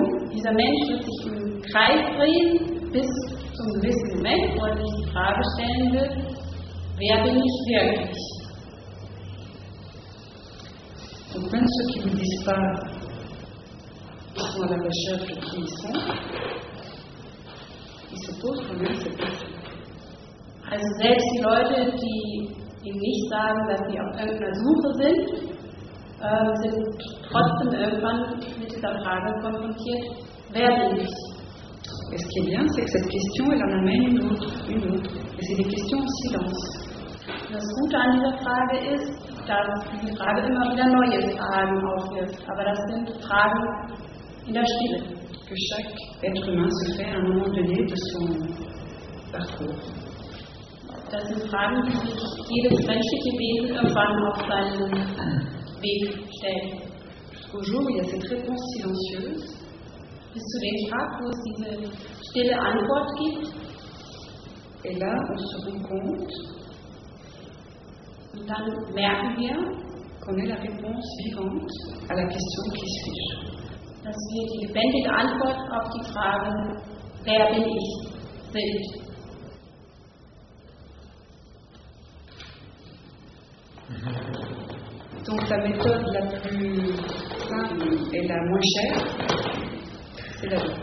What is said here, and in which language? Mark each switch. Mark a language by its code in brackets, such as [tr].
[de] Dieser Mensch wird sich im Kreis drehen bis zum gewissen Moment, wo er sich die Frage stellen wird, wer bin ich wirklich? Und wenn [fr] ceux qui ne disent pas [de] ich bin [fr] à la recherche de qui ils sont, ils se posent quand même cette question. [de] Also selbst die Leute, die ihm nicht sagen, dass sie auf irgendeiner Suche sind, sind trotzdem irgendwann mit dieser Frage konfrontiert, wer bin ich? [fr] Et ce qui est bien, c'est que cette question, elle en amène une autre. Et c'est des questions en silence. [de] Das Gute an dieser Frage ist, dass diese Frage immer wieder neue Fragen aufwirft. Aber das sind Fragen in der Stille. [fr] Que chaque être humain se fait à un moment donné de son parcours. [de] Das sind Fragen, die sich jedes menschliche Wesen irgendwann auf seinen Weg stellen. [fr] Jusqu'au jour où il y a cette réponse silencieuse. [de] Bis zu dem Tag, wo es diese stille Antwort gibt. [fr] Et là, on se rend compte. [de] Und dann merken wir, [fr] qu'on est la réponse vivante à la question qui suis-je. [de] Dass wir die lebendige Antwort auf die Frage, wer bin ich, sind. [fr] Donc la méthode la plus elle a moins cher.